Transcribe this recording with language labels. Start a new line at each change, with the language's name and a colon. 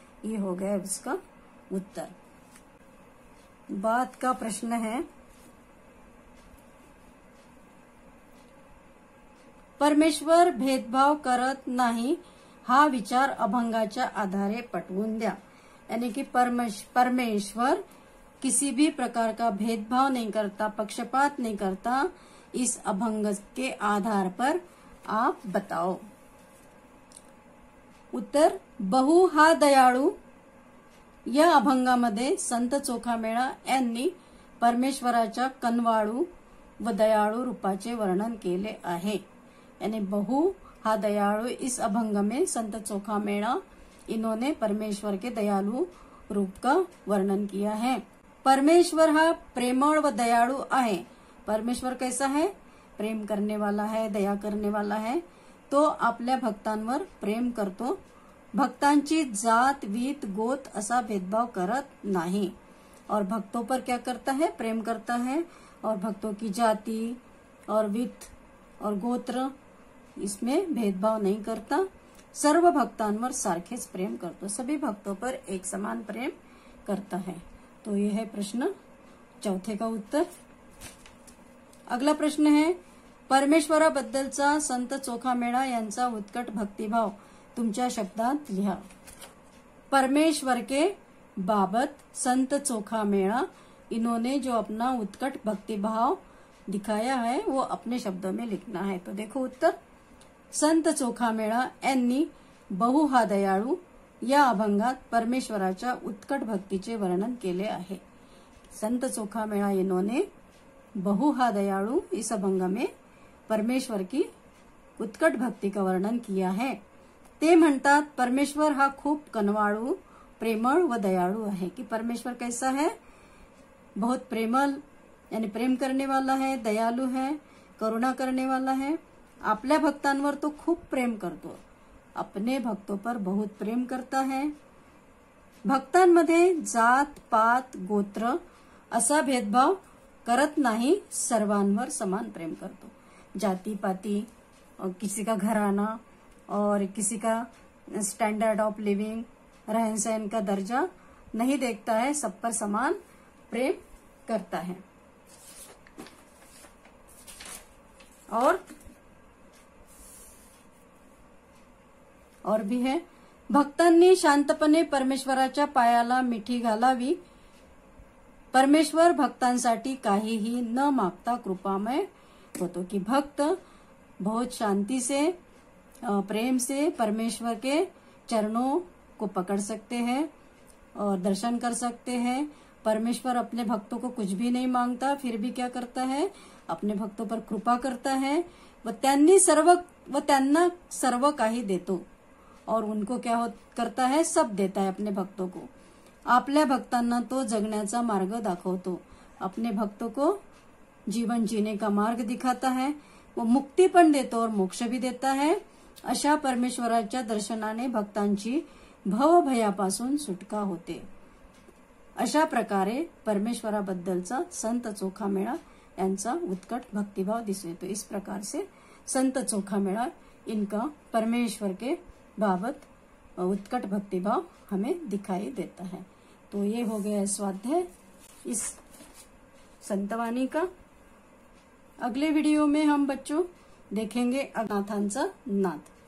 Hindi: ये हो गया उसका उत्तर। बात का प्रश्न है,
Marathi: परमेश्वर भेदभाव करत नहीं, हा विचार अभंगाच्या आधारे पटवून द्या,
Hindi: यानी कि परमेश्वर किसी भी प्रकार का भेदभाव नहीं करता, पक्षपात नहीं करता, इस अभंग के आधार पर आप बताओ।
Marathi: उत्तर, बहु हा दयाळु, या अभंगामध्ये संत चोखामेळा यांनी परमेश्वराच्या कनवाळू व दयाळू रूपाचे वर्णन केले आहे,
Hindi: यानी बहु हा दयाळु, इस अभंग में संत चोखामेळा इन्होंने परमेश्वर के दयालु रूप का वर्णन किया है।
Marathi: परमेश्वर हा प्रेमळ व दयाळु आहे,
Hindi: परमेश्वर कैसा है?
Marathi: प्रेम करने वाला है, दया करने वाला है, तो आपल्या भक्तांवर प्रेम करतो, भक्तांची जात वीत गोत असा भेदभाव करत नाही, और भक्तों पर क्या करता है?
Hindi: प्रेम करता है, और भक्तों की जाति और वीत और गोत्र इसमें भेदभाव नहीं करता,
Marathi: सर्व भक्तांवर सारखेच प्रेम करतो,
Hindi: सभी भक्तों पर एक समान प्रेम करता है। तो यह है प्रश्न चौथे का उत्तर। अगला प्रश्न है,
Marathi: परमेश्वरा बद्दलचा संत चोखामेळा यांचा उत्कट भक्तिभाव तुमच्या शब्दात लिहा।
Hindi: परमेश्वर के बाबत
Marathi: संत चोखामेळा इन्होंने जो अपना उत्कट भक्तिभाव दिखाया है वो अपने शब्दों में लिखना है। तो देखो उत्तर, संत चोखामेळा यांनी बहु हा दयाळु या अभंगात परमेश्वराच्या उत्कट भक्तीचे वर्णन केले आहे।
Hindi: संत चोखामेळा इन्होंने बहु हा दयाळु इस अभंग में परमेश्वर की उत्कट भक्ति का वर्णन किया है।
Marathi: ते म्हणतात, परमेश्वर हा खूप कनवाळु प्रेमळ व दयाळु आहे,
Hindi: कि परमेश्वर कैसा है? बहुत प्रेमळ यानी प्रेम करने वाला है, दयालु है, करुणा करने वाला है,
Marathi: आपल्या भक्तांवर तो खूप प्रेम करतो,
Hindi: अपने भक्तों पर बहुत प्रेम करता है।
Marathi: भक्तांमध्ये जात पात गोत्र असा भेदभाव करत नाही, सर्वांवर समान प्रेम करतो।
Hindi: जाती पाती और किसी का घराना और किसी का स्टैंडर्ड ऑफ लिविंग, रहन सहन का दर्जा नहीं देखता है, सब पर समान प्रेम करता है। और भी है,
Marathi: भक्तांनी शांतपणे परमेश्वराच्या पायाला मिठी घालावी, परमेश्वर भक्तांसाठी काहीही न मागता कृपामय होतो।
Hindi: की भक्त बहुत शांति से प्रेम से परमेश्वर के चरणों को पकड़ सकते हैं और दर्शन कर सकते हैं। परमेश्वर अपने भक्तों को कुछ भी नहीं मांगता, फिर भी क्या करता है, अपने भक्तों पर कृपा करता है।
Marathi: वह त्यांना सर्व काही देतो
Hindi: और उनको क्या करता है, सब देता है अपने भक्तों को।
Marathi: आपल्या भक्तांना तो जगण्याचा मार्ग दाखवतो,
Hindi: अपने भक्तों को जीवन जीने का मार्ग दिखाता है। वो मुक्ति
Marathi: पण देतो
Hindi: और मोक्ष भी देता है।
Marathi: अशा परमेश्वराच्या दर्शनाने भक्तांची भव भयापासून सुटका होते। अशा प्रकारे परमेश्वराबद्दलचा संत चोखामेळा यांचा उत्कट भक्तिभाव दिसून येतो।
Hindi: इस प्रकार से संत चोखामेळा इनका परमेश्वर के बाबत उत्कट भक्तिभाव हमें दिखाई देता है। तो ये हो गया स्वाध्याय इस संतवाणी का। अगले वीडियो में हम बच्चों देखेंगे अनाथांचा नाद।